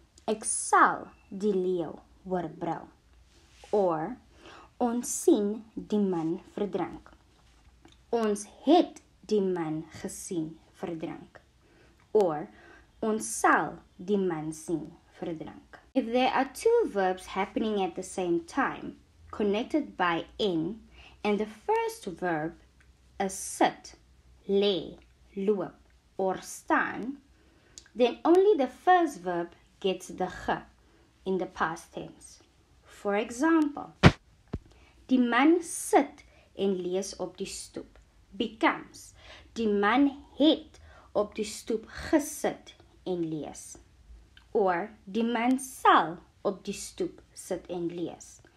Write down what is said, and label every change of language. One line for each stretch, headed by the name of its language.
Afrikaans: Ek sal die leeu hoor brul. Or ons sien die man verdrink. Ons het die man gesien verdrink. Or ons sal die man sien verdrink.
English: If there are two verbs happening at the same time, connected by in, and the first verb is sit, lê, loop, or staan, then only the first verb gets the g in the past tense. For example,
Afrikaans: die man sit en lees op die stoep
English: becomes
Afrikaans: die man het op die stoep gesit en lees. Or die man sal op die stoep sit en lees.